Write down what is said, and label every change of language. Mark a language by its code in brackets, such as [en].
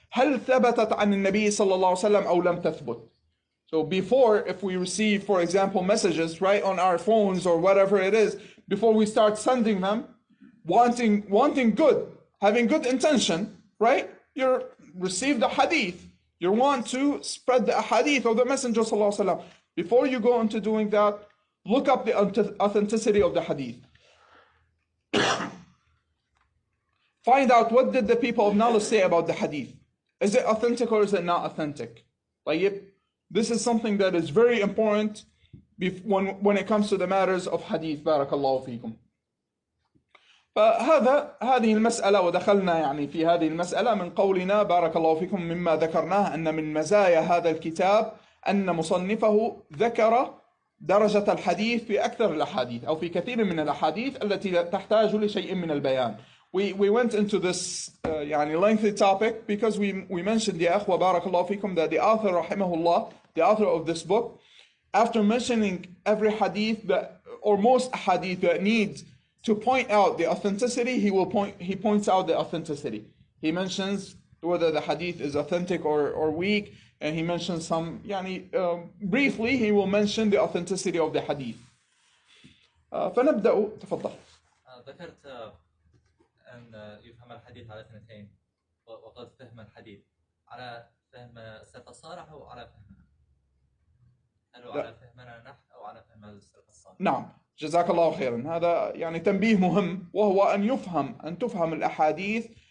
[ar] هل ثبتت عن النبي صلى الله عليه وسلم أو لم تثبت؟ [en] So before, if we receive, for example, messages right on our phones or whatever it is, before we start sending them, wanting good, having good intention, right? You receive the hadith. You want to spread the hadith of the Messenger [ar] صلى الله عليه وسلم. [en] Before you go into doing that, look up the authenticity of the hadith. Find out what did the people of knowledge say about the hadith. Is it authentic or is it not authentic? [ar] طيب, [en] this is something that is very important when it comes to the matters of hadith. [ar] بارك الله فيكم. فهذا هذه المسألة ودخلنا يعني في هذه المسألة من قولنا بارك الله فيكم مما ذكرناه أن من مزايا هذا الكتاب أن مصنفه ذكر درجة الحديث في أكثر الأحاديث أو في كثير من الأحاديث التي تحتاج لشيء من البيان. [en] We went into this [ar] يعني [en] lengthy topic because we mentioned [ar] يا أخوة بارك الله فيكم [en] that the author [ar] رحمه الله, [en] the author of this book, after mentioning every hadith or most hadith that needs to point out the authenticity, he points out the authenticity. He mentions whether the hadith is authentic or weak, and he mentions some [ar] يعني [en] briefly he will mention the authenticity of the hadith. [ar] فنبدأ تفضل. ذكرت أن يفهم الحديث على اثنتين وقد فهم الحديث على فهم السلف الصالح أو على فهم نعم جزاك الله خيرا. هذا يعني تنبيه مهم وهو أن تفهم الأحاديث